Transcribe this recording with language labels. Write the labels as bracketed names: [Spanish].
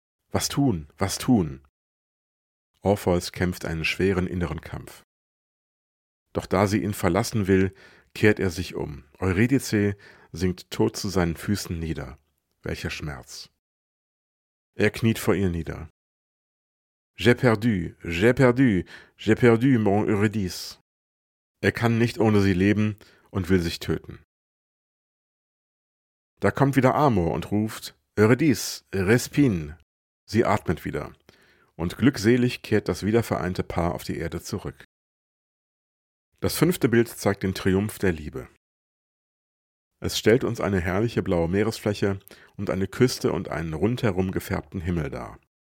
[German] Was tun, was tun? Orpheus kämpft einen schweren inneren Kampf. Doch da sie ihn verlassen will, kehrt er sich um. Eurydice sinkt tot zu seinen Füßen nieder. Welcher Schmerz! Er kniet vor ihr nieder. [French] J'ai perdu, j'ai perdu, j'ai perdu mon Eurydice. [German] Er kann nicht ohne sie leben und will sich töten. Da kommt wieder Amor und ruft, Eurydice, respine. Sie atmet wieder und glückselig kehrt das wiedervereinte Paar auf die Erde zurück. Das fünfte Bild zeigt den Triumph der Liebe. Es stellt uns eine herrliche blaue Meeresfläche und eine Küste und einen rundherum gefärbten Himmel dar.